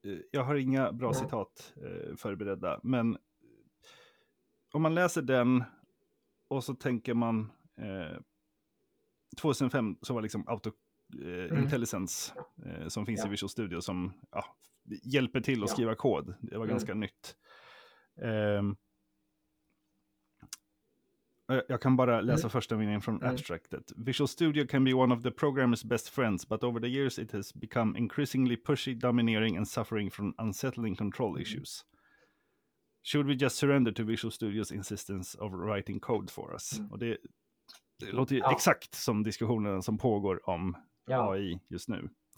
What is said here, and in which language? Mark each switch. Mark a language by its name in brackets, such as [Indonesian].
[Swedish] Jag har inga bra citat förberedda, men om man läser den och så tänker man 2005 så var liksom IntelliSense som finns i Visual Studio som hjälper till att skriva kod. Det var ganska nytt. Jag kan bara läsa första meningen från abstractet. [English] Visual Studio can be one of the programmer's best friends, but over the years it has become increasingly pushy, domineering and suffering from unsettling control issues. Should we just surrender to Visual Studio's insistence of writing code for us? [Swedish] Och det låter ju exakt som diskussionen som pågår om AI just nu.